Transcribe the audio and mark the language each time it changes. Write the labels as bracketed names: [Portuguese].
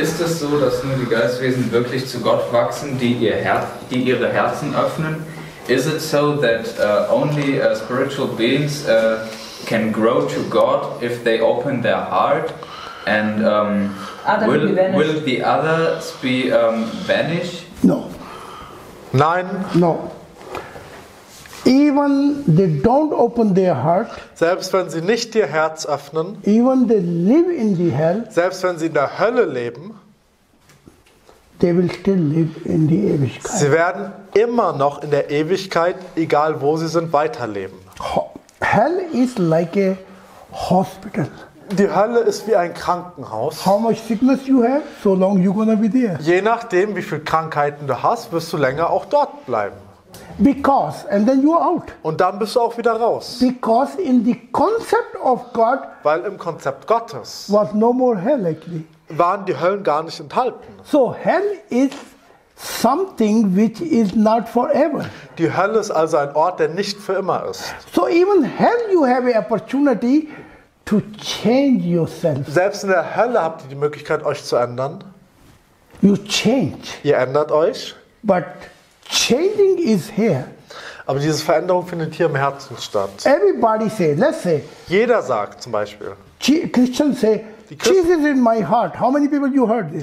[German] Ist es so, dass nur die Geistwesen wirklich zu Gott wachsen, die ihre Herzen öffnen? [English] Is it so that only spiritual beings can grow to God if they open their heart? And will the others be vanished? No. [German] Nein. [English] No. Even they don't open their heart, [German] selbst wenn sie nicht ihr Herz öffnen, [English] even they live in the hell, [German] selbst wenn sie in der Hölle leben, [English] they will still live in the Ewigkeit. [German] Sie werden immer noch in der Ewigkeit, egal wo sie sind, weiterleben. [English] Hell is like a hospital. [German] Die Hölle ist wie ein Krankenhaus. [English] How much sickness you have, so long you're gonna be there. [German] Je nachdem, wie viele Krankheiten du hast, wirst du länger auch dort bleiben. [English] Because and then you're out. [German] Und dann bist du auch wieder raus. [English] Because in the concept of God, [German] weil im Konzept Gottes [English] was no more hell actually. [German] Waren die Höllen gar nicht enthalten. [English] So hell is something which is not forever. [German] Die Hölle ist also ein Ort, der nicht für immer ist. [English] So even hell you have an opportunity to change yourself. [German] Selbst in der Hölle habt ihr die Möglichkeit, euch zu ändern. [English] You change. [German] Ihr ändert euch. [English] But changing is here. [German] Aber diese Veränderung findet hier im Herzen statt. [English] Everybody say, let's say. [German] Jeder sagt zum Beispiel. [English] Christians say, Jesus in my heart. How many people you heard this?